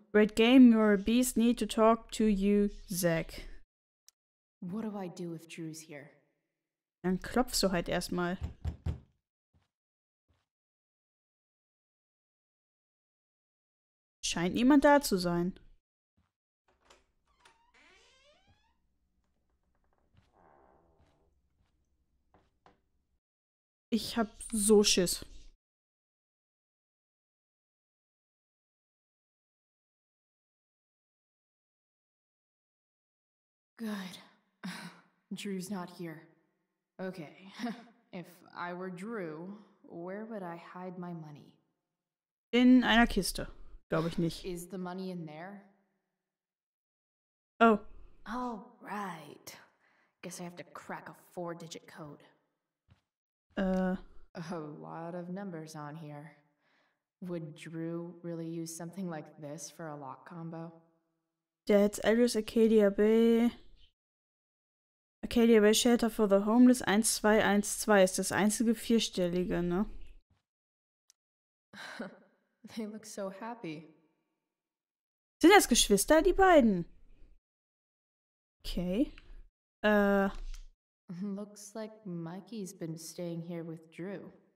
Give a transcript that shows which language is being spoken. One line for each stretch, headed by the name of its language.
English: Great game, you're a beast. Need to talk to you, Zach. What do I do if Drew's here?
German: Dann klopfst du halt erstmal. Scheint niemand da zu sein. Ich hab so Schiss.
English: Good. Drew's not here. Okay. If I were Drew, where would I hide my money?
German: In einer Kiste. Glaube ich nicht.
English: Is the money in there? Oh. All right. Guess I have to crack a 4-digit code. A lot of numbers on here. Would Drew really use something like this for a lock combo? Dad's address, Acadia Bay.
German: Acadia Bay Shelter for the Homeless 1212 ist das einzige vierstellige, ne?
English: They look so happy.
German: Sind das Geschwister, die beiden? Okay.
English: Looks like Mikey's been staying here with Drew.